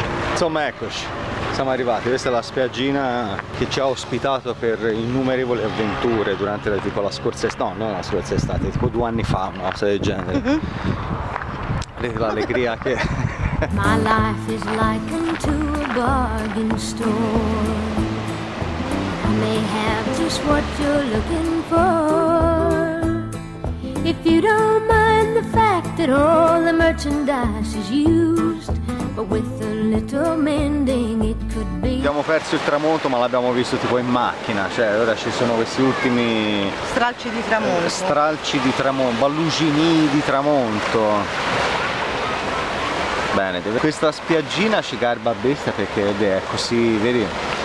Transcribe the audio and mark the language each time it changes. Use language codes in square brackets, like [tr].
[it] Insomma, eccoci, siamo arrivati. Questa è la spiaggina che ci ha ospitato per innumerevoli avventure durante tipo la scorsa estate, no, non la scorsa estate, tipo 2 anni fa, una cosa del genere. Vedete l'allegria che. [en] My life is likened to a bargain store. I may have just what you're looking for. If you don't mind the fact that all the merchandise is used. But with a little mending it could be. [it] Abbiamo perso il tramonto, ma l'abbiamo visto tipo in macchina, cioè ora ci sono questi ultimi stralci di tramonto. Stralci di tramonto, ballugini di tramonto. Bene, questa spiaggina ci garba a bestia perché è così, vedi?